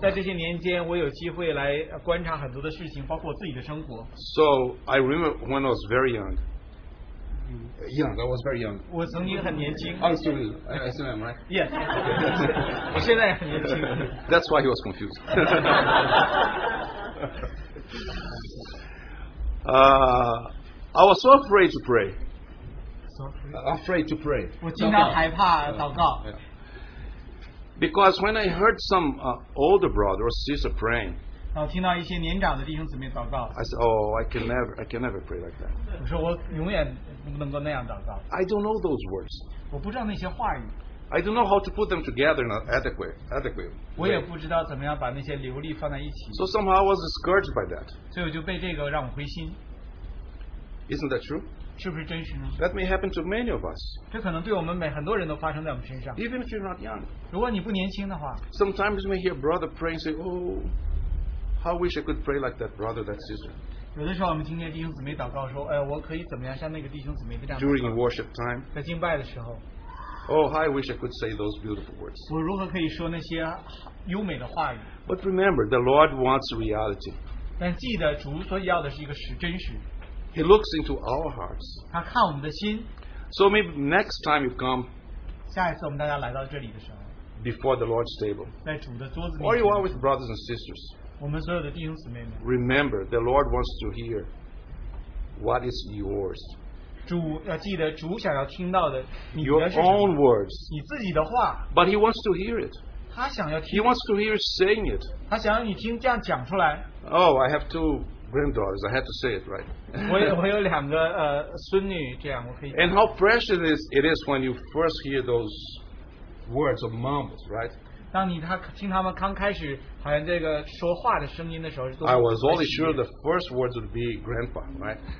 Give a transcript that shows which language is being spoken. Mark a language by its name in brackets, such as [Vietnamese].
[Chinese] 在这些年间，我有机会来观察很多的事情，包括自己的生活。 [English] So I remember when I was very young. Young, I was very young. [Chinese] 我曾经很年轻。 [English] I'm still, I still am, right? Yes. [Chinese] 我现在很年轻。 [English] That's why he was confused. I was so afraid to pray. Afraid to pray. [Chinese] 我经常害怕祷告。 [English] Because when I heard some older brother or sister praying. [Chinese] 我听到一些年长的弟兄姊妹祷告。 [English] I said, Oh, I can never pray like that. [Chinese] 我说我永远。 [English] I don't know those words. I don't know how to put them together in an adequate way. So somehow I was discouraged by that. Isn't that true? [Chinese] 是不是真实呢? [English] That may happen to many of us. [Chinese] 这可能对我们每很多人都发生在我们身上。 [English] Even if you're not young. [Chinese] 如果你不年轻的话。 [English] Sometimes we hear brother pray and say, Oh, how I wish I could pray like that brother, that sister. [Chinese] 有的时候我们听见弟兄姊妹祷告说，哎，我可以怎么样像那个弟兄姊妹这样。 [English] During worship time. [Chinese] 在敬拜的时候。 [English] Oh, I wish I could say those beautiful words. [Chinese] 我如何可以说那些优美的话语？ [English] But remember, the Lord wants reality. [Chinese] 但记得主所要的是一个实真实。 [English] He looks into our hearts. [Chinese] 他看我们的心。 [English] So maybe next time you come. [Chinese] 下一次我们大家来到这里的时候。 [English] Before the Lord's table. [Chinese] 在主的桌子面前。 [English] Or you are with brothers and sisters. [Chinese] 我们所有的弟兄姊妹们 [English] Remember, the Lord wants to hear what is yours. [Chinese] 主要记得主想要听到的，你的 [English] your own words， [Chinese] 你自己的话。 [English] But he wants to hear it， [Chinese] 他想要听。 [English] He wants to hear saying it， [Chinese] 他想要你听这样讲出来。 [English] Oh， I have two granddaughters， I have to say it right。 [Chinese] 我有两个孙女，这样我可以。 [English] And how precious it is when you first hear those words of mumbles， right？ [Chinese] 当你他听他们刚开始好像这个说话的声音的时候， [English] I was only sure the first words would be grandpa, right?